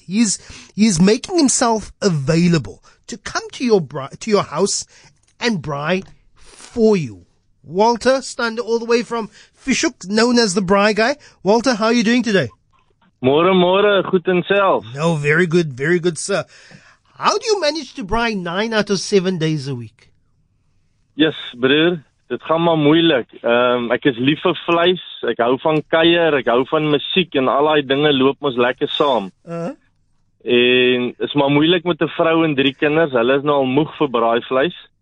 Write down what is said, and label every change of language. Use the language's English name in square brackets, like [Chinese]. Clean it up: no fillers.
[English] He's making himself available to come to your house and braai for you. Walter Stunder, all the way from Fishhook, known as the braai guy. Walter, how are you doing today? [Afrikaans] Mora, goed en self. [English] No, very good, sir. How do you manage to braai 9 out of 7 days a week? [Afrikaans] Yes, broer, dit gaan maar moeilik. Ek is lief vir vleis, ek hou van kuier, ek hou van musiek en al die dinge loop ons lekker saam. En is maar moeilik met 'n vrou en 3 kinders, hulle is nou al moeg vir braai vleis.